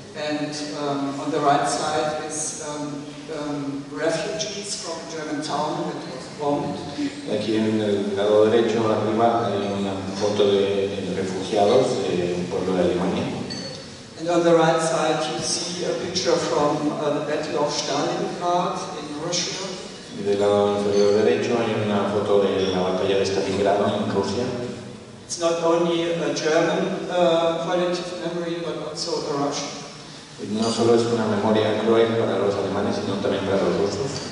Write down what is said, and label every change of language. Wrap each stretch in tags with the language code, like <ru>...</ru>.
<en>And on the right side is refugees from a German town that was bombed.</en> <es>Aquí en el lado derecho arriba hay una foto de refugiados del pueblo de Alemania.</es> <en>And on the right side you see a picture from the Battle of Stalingrad in Russia.</en> <es>Y del lado inferior derecho hay una foto de la batalla de Stalingrado en Rusia.</es> <en>It's not only a German collective memory, but also a Russian.</en> <es>Y no solo es una memoria cruel para los alemanes, sino también para los rusos.</es>